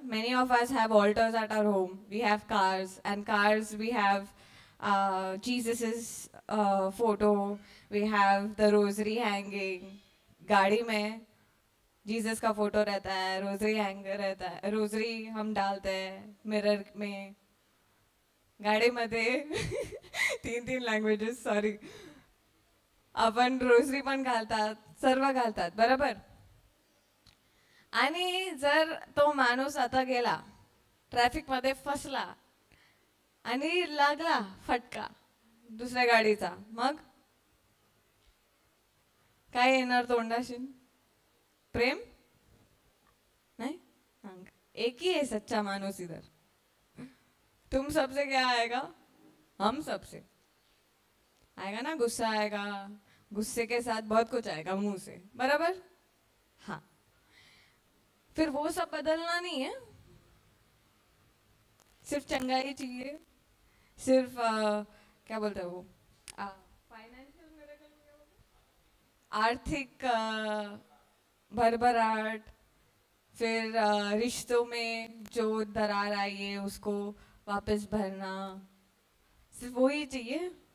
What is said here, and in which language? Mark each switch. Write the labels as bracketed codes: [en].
[en] Many of us have altars at our home, we have cars, and cars we have Jesus photo, we have the rosary hanging. [hi] गाड़ी में Jesus का photo रहता है, rosary hanger रहता है, rosary हम डालते हैं मिरर में गाड़ी [mr] मध्ये. [hi] तीन तीन लैंग्वेजेस, सॉरी. [mr] अपन रोजरी पण घालतात, सर्व घालतात, बराबर? आणि जर तो माणूस आता गेला ट्रॅफिकमध्ये, फसला आणि लागला फटका दुसऱ्या गाडीचा, मग काय येणार तोंडाशी? प्रेम नाही? एकही आहे सच्चा माणूस इधर. [hi] तुम सबसे क्या आएगा? हम सबसे आएगा ना गुस्सा, आएगा गुस्से के साथ बहुत कुछ आएगा मुंह से, बराबर? हाँ. फिर वो सब बदलना नहीं है, सिर्फ चंगाई चाहिए, सिर्फ क्या बोलते हैं वो, फाइनेंशियल मिरेकल, आर्थिक भरभराहट, फिर रिश्तों में जो दरार आई है उसको वापस भरना, सिर्फ वो ही चाहिए?